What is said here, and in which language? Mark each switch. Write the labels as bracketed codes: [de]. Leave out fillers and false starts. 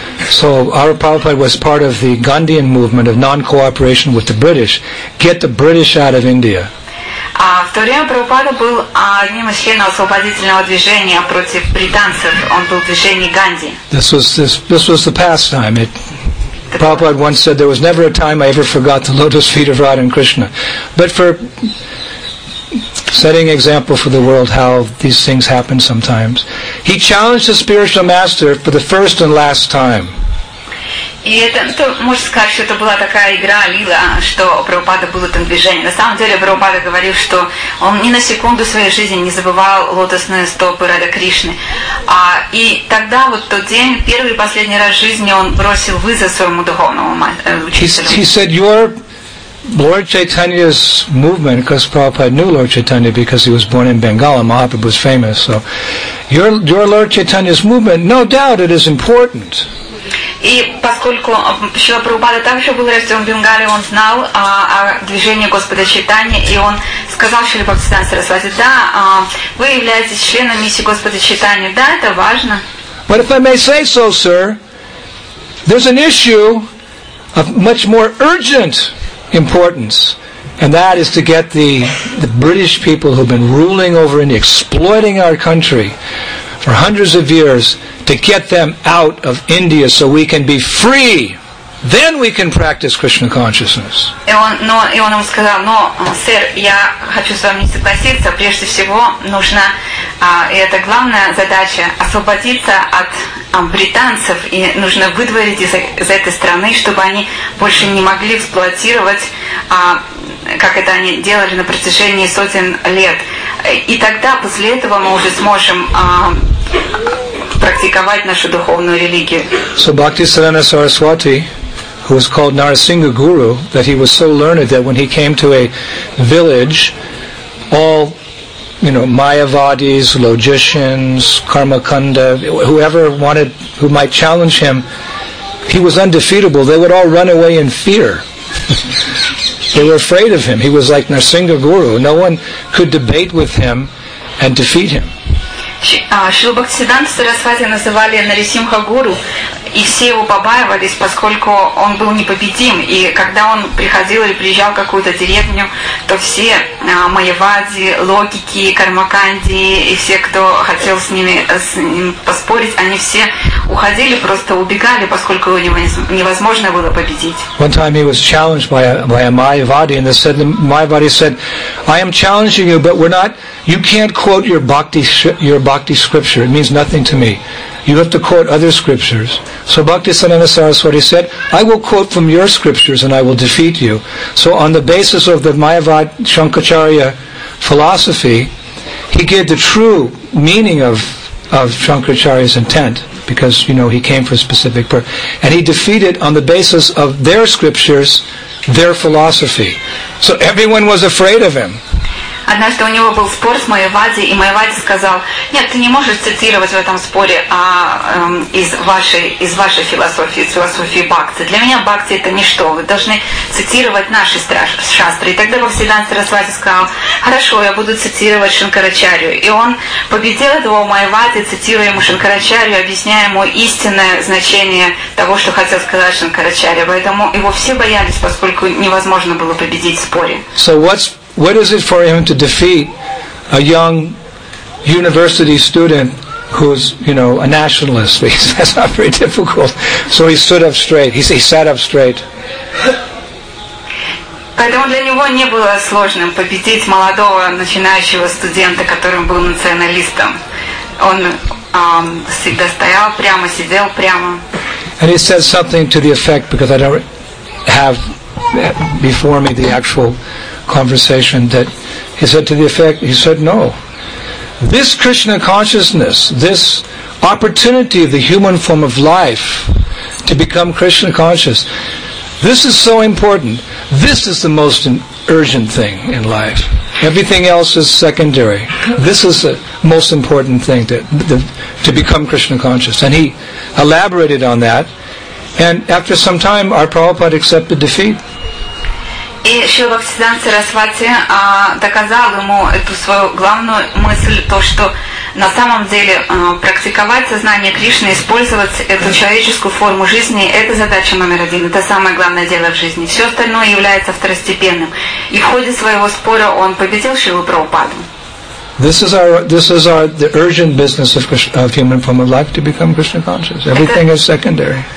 [en] So, our Prabhupada was part of the Gandhian movement of non-cooperation with the British. Get the British out of India. [ru] В то время Прабхупада был одним из членов освободительного движения против британцев. Он был в движении Ганди. [en] This was the pastime. Prabhupada once said, there was never a time I ever forgot the lotus feet of Radha and Krishna. But for setting example for the world how these things happen sometimes, he challenged the spiritual master for the first and last time. [ru] И это, ну, то, можно сказать, что это была такая игра, лила, что у Прабхупады было там движение. На самом деле Прабхупада говорил, что он ни на секунду своей жизни не забывал лотосные стопы Радха Кришны. И тогда, вот тот день, первый и последний раз в жизни, он бросил вызов своему духовному учителю. [en] He said, your Lord Chaitanya's movement, because Prabhupada knew Lord Chaitanya because he was born in Bengal and Mahaprabhu was famous, so your Lord Chaitanya's movement, no doubt it is important. [ru] И поскольку Шрила Прабхупада также был рожден в Бенгале, он знал о движении Господа Чайтаньи, и он сказал Шриле Бхактисиддханте Сарасвати, да, вы являетесь членом миссии Господа Чайтаньи, да, это важно. [en] But if I may say so, sir, there's an issue of much more urgent importance, and that is to get the British people who've been ruling over India, exploiting our country for hundreds of years, to get them out of India so we can be free. Then we can practice Krishna consciousness. [ru] И он ему сказал, но, сэр, я хочу с вами не согласиться. Прежде всего, нужно, и это главная задача, освободиться от британцев, и нужно выдворить из этой страны, чтобы они больше не могли эксплуатировать, как это они делали на протяжении сотен лет. И тогда, после этого, мы уже сможем практиковать нашу духовную религию. [en] So Bhaktisiddhanta Saraswati, who was called Narasingha Guru, that he was so learned that when he came to a village, all, you know, Mayavadis, logicians, Karmakanda, whoever wanted, who might challenge him, he was undefeatable. They would all run away in fear. They were afraid of him. He was like Narasingha Guru. No one could debate with him and defeat him. [ru] Шрила Бхактисиддханта Сарасвати называли Нарисимха Гуру, и все его побаивались, поскольку он был непобедим, и когда он приходил или приезжал в какую-то деревню, то все майявади, логики, кармаканди и все, кто хотел с ним поспорить, они все уходили, просто убегали, поскольку у него невозможно было победить. [en] One time he was challenged by a Mayavadi, and the Mayavadi said, I am challenging you, but we're not, you can't quote your Bhakti scripture, it means nothing to me. You have to quote other scriptures. So Bhaktisiddhanta Saraswati said, I will quote from your scriptures and I will defeat you. So on the basis of the Mayavad Shankaracharya philosophy, he gave the true meaning of Shankaracharya's intent, because, you know, he came for a specific purpose. And he defeated, on the basis of their scriptures, their philosophy. So everyone was afraid of him. [ru] Однажды у него был спор с Майавади, и Майавади сказал: «Нет, ты не можешь цитировать в этом споре из вашей философии, из философии Бхакти. Для меня Бхакти – это ничто. Вы должны цитировать наши шастры». И тогда Бхактисиддханта Сарасвати сказал: «Хорошо, я буду цитировать Шанкарачарью». И он победил этого Майавади, цитируя ему Шанкарачарью, объясняя ему истинное значение того, что хотел сказать Шанкарачарья. Поэтому его все боялись, поскольку невозможно было победить в споре. [en] So what is it for him to defeat a young university student who's, you know, a nationalist? Because that's not very difficult. So he stood up straight. He sat up straight. [ru] Поэтому для него не было сложным победить молодого начинающего студента, которым был националистом. Он всегда стоял прямо, сидел прямо. [en] And he said something to the effect, because I don't have before me the actual conversation, that he said to the effect, he said, no, this Krishna consciousness, this opportunity of the human form of life to become Krishna conscious, this is so important. This is the most urgent thing in life. Everything else is secondary. This is the most important thing, to become Krishna conscious. And he elaborated on that. And after some time, our Prabhupada accepted defeat. [ru] И Шрила Бхактисиддханта Сарасвати доказал ему эту свою главную мысль, то, что на самом деле практиковать сознание Кришны, использовать эту человеческую форму жизни – это задача номер один, это самое главное дело в жизни. Все остальное является второстепенным. И в ходе своего спора он победил Шрилу Прабхупаду. [en] This is our the urgent business of human form of life, to become Krishna conscious. Everything is secondary.